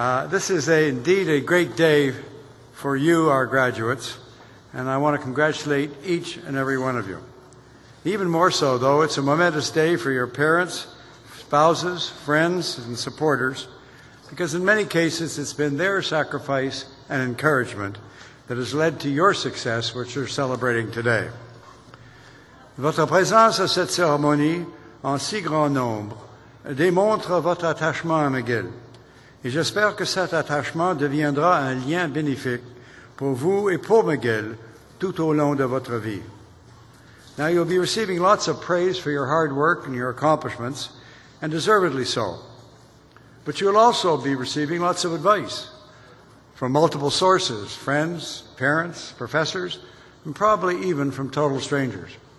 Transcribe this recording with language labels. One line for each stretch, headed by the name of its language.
English: This is indeed a great day for you, our graduates, and I want to congratulate each and every one of you. Even more so, though, it's a momentous day for your parents, spouses, friends, and supporters, because in many cases it's been their sacrifice and encouragement that has led to your success, which you're celebrating today.
French: Votre présence à cette cérémonie en si grand nombre démontre votre attachement à McGill, et j'espère que cet attachement deviendra un lien bénéfique pour vous et pour McGill tout au long de votre vie.
English: Now you'll be receiving lots of praise for your hard work and your accomplishments, and deservedly so. But you'll also be receiving lots of advice from multiple sources, friends, parents, professors, and probably even from total strangers.